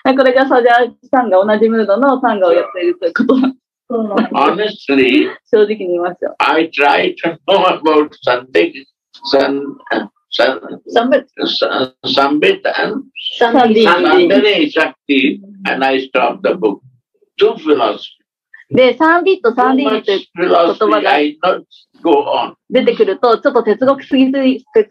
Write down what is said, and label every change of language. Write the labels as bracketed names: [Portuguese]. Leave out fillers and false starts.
[Japanese] これがサジャーさんが同じムードのサンガをやっているということ。 [English] Honestly, [Japanese] 正直に言いますよ。 [English] I try to know about Sambit and Sandini Shakti, and I stop the book. Two philosophies. [Japanese] で、サンビット、サンディニという言葉が出てくると、ちょっと哲学すぎると思って